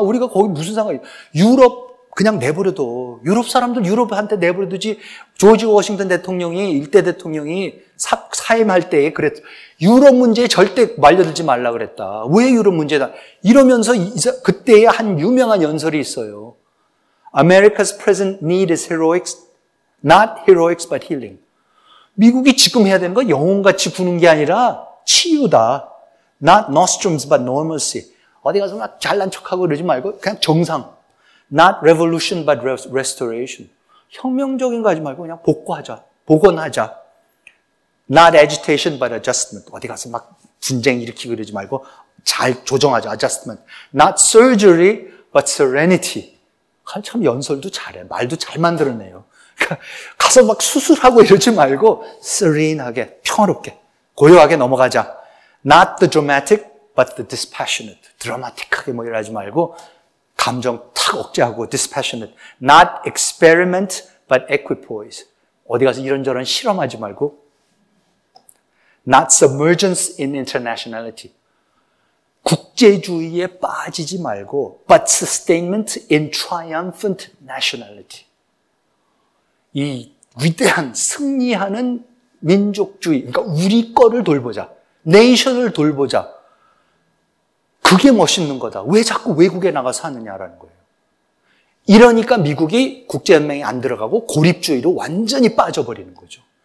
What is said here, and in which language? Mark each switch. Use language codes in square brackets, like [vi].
[ko] 우리가 거기 무슨 상관이야? 유럽 그냥 내버려둬. 유럽 사람들 유럽한테 내버려두지. 조지 워싱턴 대통령이 일대 대통령이 사임할 때에 그랬어. 유럽 문제에 절대 말려들지 말라 그랬다. 왜 유럽 문제다? 이러면서 그때의 한 유명한 연설이 있어요. [en] America's present need is heroics, not heroics but healing. [ko] 미국이 지금 해야 되는 건 영혼같이 부는 게 아니라 치유다. [en] Not nostrums but normalcy. [ko] 어디 가서 막 잘난 척하고 그러지 말고 그냥 정상. [en] Not revolution but restoration. [ko] 혁명적인 거 하지 말고 그냥 복구하자. 복원하자. [en] Not agitation but adjustment. [ko] 어디 가서 막 분쟁 일으키고 그러지 말고 잘 조정하자. [en] Adjustment. Not surgery but serenity. [ko] 참 연설도 잘해. 말도 잘 만들어내요. 가서 막 수술하고 이러지 말고 serene하게 평화롭게 고요하게 넘어가자. [en] Not the dramatic but the dispassionate. [ko] 드라마틱하게 뭐 이러지 말고 감정 탁 억제하고 dispassionate. [en] Not experiment but equipoise. [ko] 어디 가서 이런저런 실험하지 말고 [en] Not submergence in internationality. [ko] 국제주의에 빠지지 말고 [en] but sustainment in triumphant nationality. [ko] 이 위대한 승리하는 민족주의, 그러니까 우리 거를 돌보자. 네이션을 돌보자. 그게 멋있는 거다. 왜 자꾸 외국에 나가서 하느냐라는 거예요. 이러니까 미국이 국제연맹에 안 들어가고 고립주의로 완전히 빠져버리는 거죠.